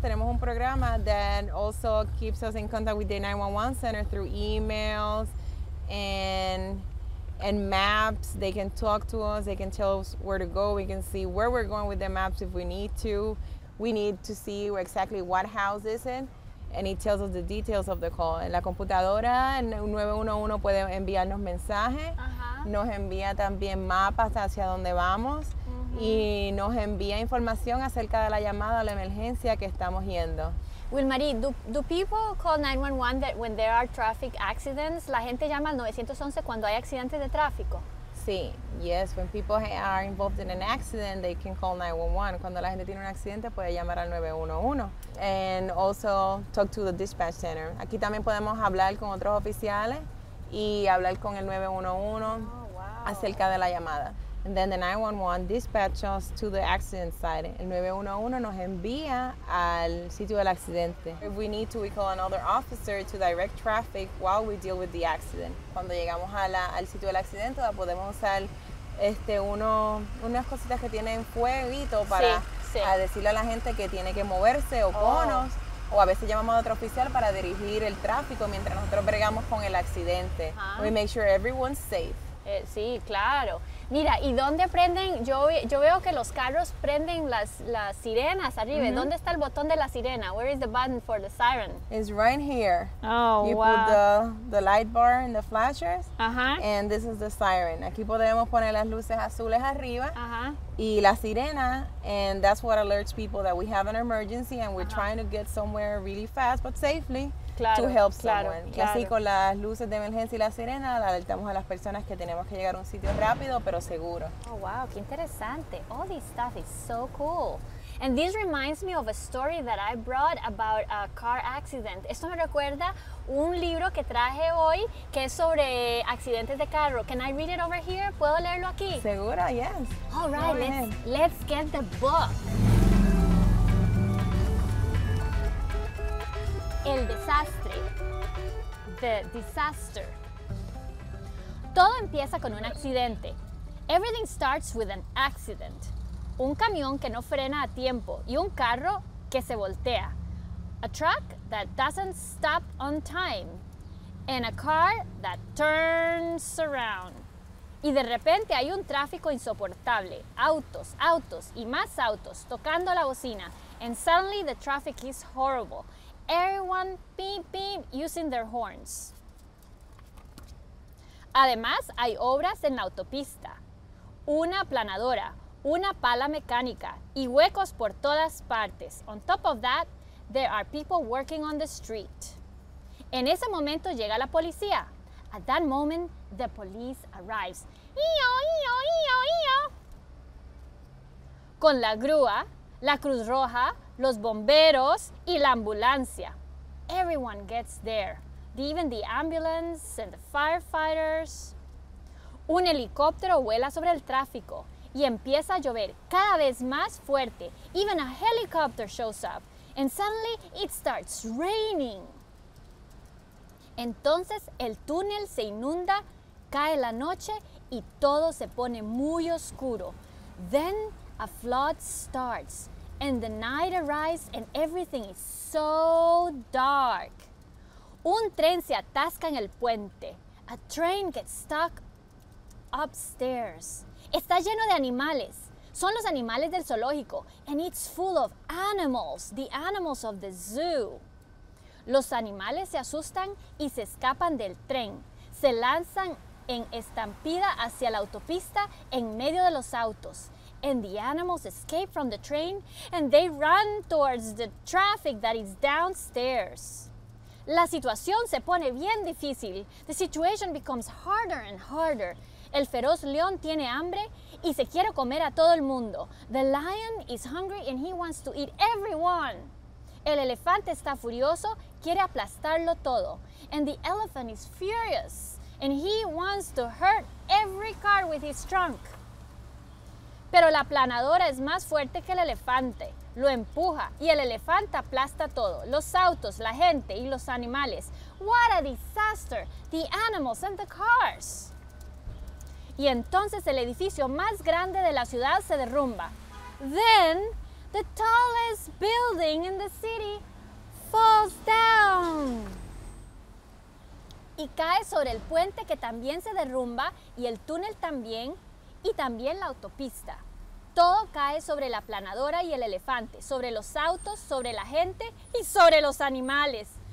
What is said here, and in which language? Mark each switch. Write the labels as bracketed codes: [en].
[es] Tenemos un programa [en] that also keeps us in contact with the 911 center through emails and maps. They can talk to us. They can tell us where to go. We can see where we're going with the maps if we need to. We need to see exactly what house is in, and it tells us the details of the call. [es] En la computadora, en 911 puede enviarnos mensajes, nos envía también mapas hacia dónde vamos, y nos envía información acerca de la llamada, la emergencia que estamos yendo. [en] Wilmarie, do people call 911 that when there are traffic accidents? [es] La gente llama al 911 cuando hay accidentes de tráfico. [en] Sí, yes, when people are involved in an accident, they can call 911. [es] Cuando la gente tiene un accidente, puede llamar al 911. [en] And also talk to the dispatch center. [es] Aquí también podemos hablar con otros oficiales y hablar con el 911 acerca de la llamada. [en] And then the 911 dispatches to the accident site. [es] El 911 nos envía al sitio del accidente. [en] If we need to, we call another officer to direct traffic while we deal with the accident. [es] Cuando llegamos al sitio del accidente, podemos usar unas cositas que tienen fueguito para a decirle a la gente que tiene que moverse o conos. O a veces llamamos a otro oficial para dirigir el tráfico mientras nosotros bregamos con el accidente. [en] We make sure everyone's safe. [es] Sí, claro. Mira, ¿y dónde prenden? Yo veo que los carros prenden las sirenas arriba. ¿Dónde está el botón de la sirena? [en] Where is the button for the siren? It's right here. Oh, you wow. You put the light bar and the flashers. And this is the siren. [es] Aquí podemos poner las luces azules arriba. Y la sirena. [en] And that's what alerts people that we have an emergency and we're trying to get somewhere really fast but safely. [es] Claro, [en] to help someone. [es] Así con las luces de emergencia y la sirena, alertamos a las personas que tenemos que llegar a un sitio rápido, pero seguro. [en] Oh, wow, [es] qué interesante. [en] All this stuff is so cool. And this reminds me of a story that I brought about a car accident. [es] Esto me recuerda un libro que traje hoy que es sobre accidentes de carro. [en] Can I read it over here? [es] ¿Puedo leerlo aquí? Seguro, yes. [en] All right, let's get the book. [es] El desastre. [en] The disaster. [es] Todo empieza con un accidente. [en] Everything starts with an accident. [es] Un camión que no frena a tiempo y un carro que se voltea. [en] A truck that doesn't stop on time. And a car that turns around. [es] Y de repente hay un tráfico insoportable. Autos, autos y más autos tocando la bocina. [en] And suddenly the traffic is horrible. everyone beep beep using their horns. [es] Además, hay obras en la autopista, una aplanadora, una pala mecánica y huecos por todas partes. [en] On top of that, there are people working on the street. [es] En ese momento llega la policía. [en] At that moment, the police arrives. ¡Io, io, io, io! [es] Con la grúa, la Cruz Roja, los bomberos y la ambulancia. [en] Everyone gets there. Even the ambulance and the firefighters. [es] Un helicóptero vuela sobre el tráfico y empieza a llover cada vez más fuerte. [en] Even a helicopter shows up and suddenly it starts raining. [es] Entonces el túnel se inunda, cae la noche y todo se pone muy oscuro. [en] Then a flood starts and the night arrives and everything is so dark. [es] Un tren se atasca en el puente. [en] A train gets stuck upstairs. [es] Está lleno de animales. Son los animales del zoológico. [en] And it's full of animals, the animals of the zoo. [es] Los animales se asustan y se escapan del tren. Se lanzan en estampida hacia la autopista en medio de los autos. [en] And the animals escape from the train and they run towards the traffic that is downstairs. [es] La situación se pone bien difícil. [en] The situation becomes harder and harder. [es] El feroz león tiene hambre y se quiere comer a todo el mundo. [en] The lion is hungry and he wants to eat everyone. [es] El elefante está furioso, quiere aplastarlo todo. [en] And the elephant is furious and he wants to hurt every car with his trunk. [es] Pero la aplanadora es más fuerte que el elefante. Lo empuja y el elefante aplasta todo, los autos, la gente y los animales. [en] What a disaster! The animals and the cars. [es] Y entonces el edificio más grande de la ciudad se derrumba. [en] Then the tallest building in the city falls down. [es] Y cae sobre el puente que también se derrumba y el túnel también y también la autopista. Todo cae sobre la aplanadora y el elefante, sobre los autos, sobre la gente y sobre los animales.